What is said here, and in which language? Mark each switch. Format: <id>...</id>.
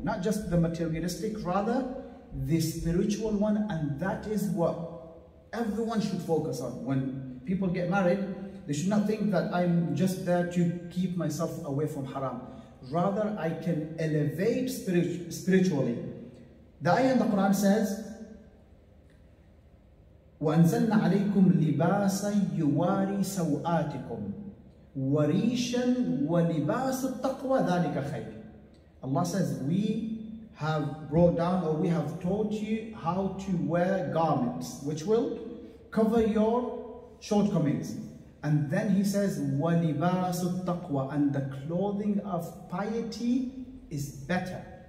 <en>Not just the materialistic, rather the spiritual one, and that is what everyone should focus on. When people get married, they should not think that I'm just there to keep myself away from haram. Rather, I can elevate spiritually.</en> <ar>The ayah in the Quran says, وَأَنزَلْنَا عَلَيْكُمْ لِبَاسًا يُوَارِي سَوْآتِكُمْ وَرِيشًا وَلِبَاسُ التَّقْوَى ذَلِكَ خَيْرٍ.</ar> <en>Allah says, we have brought down, or we have taught you how to wear garments which will cover your shortcomings. And then he says, وَلِبَاسُ التَّقْوَى, and the clothing of piety is better.</en>